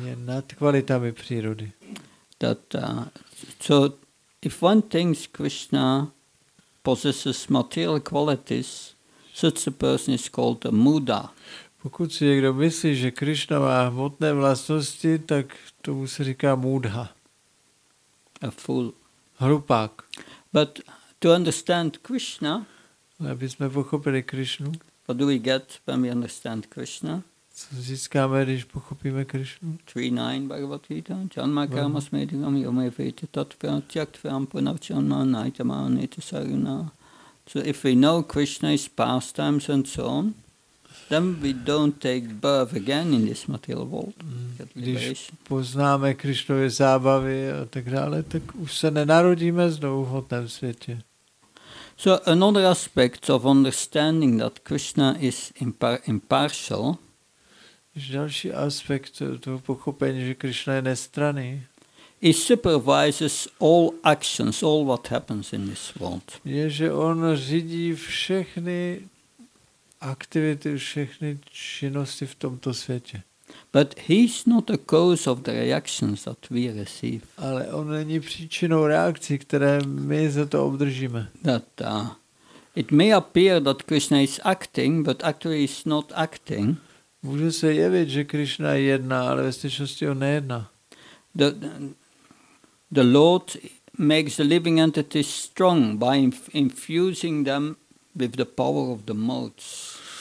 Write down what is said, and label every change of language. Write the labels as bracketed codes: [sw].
[cs] Je nad kvalitami přírody. [en] So if one thinks Krishna possesses material qualities, such a person is called a muda. [cs] Pokud si někdo myslí, že Krishna má hmotné vlastnosti, tak tomu se říká mudha. [en] A fool. [cs] Hlupák. [en] But to understand Krishna, [cs] aby jsme pochopili Krishnu, [en] what do we get when we understand Krishna? [cs] Co získáme, když pochopíme Krishnu? [sa] 3.9 Bhagavad Gita. Janma karma smedhikam yome vete tatvam tyaktvam punav janma naitama anita saruna. [en] So if we know Krishna's pastimes and so on, then we don't take birth again in this material world. [cs] Když poznáme Krišnovy zábavy a tak dále, tak už se nenarodíme znovu v hodném světě. [en] So another aspect of understanding that Krishna is impartial. [cs] Další aspekt toho pochopení, že Krišna je nestranný. [en] He supervises all actions, all what happens in this world. [cs] Je, že on řídí všechny aktivity, všechny činnosti v tomto světě. [en] But he's not the cause of the reactions that we receive. [cs] Ale on není příčinou reakcí, které my za to obdržíme. [en] That, it may appear that Krishna is acting, but actually he's not acting. [cs] Může se jevit, že Krishna jedná, ale ve skutečnosti on nejedná. [en] The Lord makes the living entities strong by infusing them with the power of the modes.